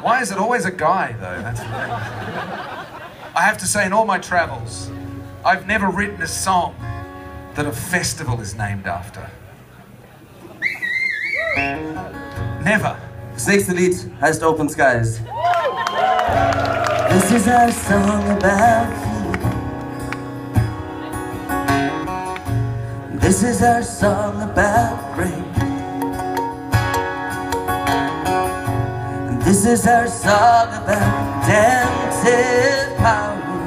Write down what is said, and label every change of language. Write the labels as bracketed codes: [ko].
[en] Why is it always a guy, though? That's I have to say, in all my travels, I've never written a song that a festival is named after. Never. [de] Das nächste Lied heißt Open Skies. [en] This is a song about feeling. This is a song about rain. This is our song about redemptive power.